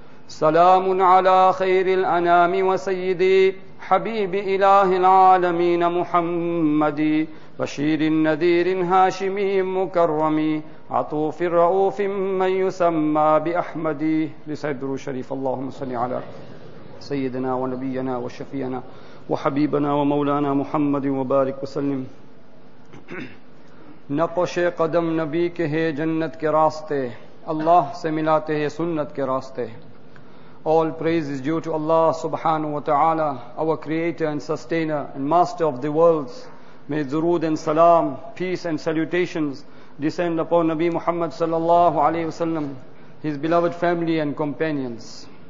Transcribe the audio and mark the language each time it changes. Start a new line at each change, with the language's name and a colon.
Arabic: سلام على خير الأنام وسيدي حبيب إله العالمين محمد بشير النذير هاشمي مكرمي عطوف الرؤوف من يسمى بأحمد لسيد الدرو الشريف. اللهم صل على سيدنا ونبينا وشفينا وحبيبنا ومولانا محمد وبارك وسلم.
Urdu: نقش قدم نبی کے ہے جنت کے راستے، اللہ سے ملاتے ہیں سنت کے راستے.
English: All praise is due to Allah subhanahu wa ta'ala, our creator and sustainer and master of the worlds. May durood and salam, peace and salutations descend upon Nabi Muhammad sallallahu alayhi wasallam, his beloved family and companions.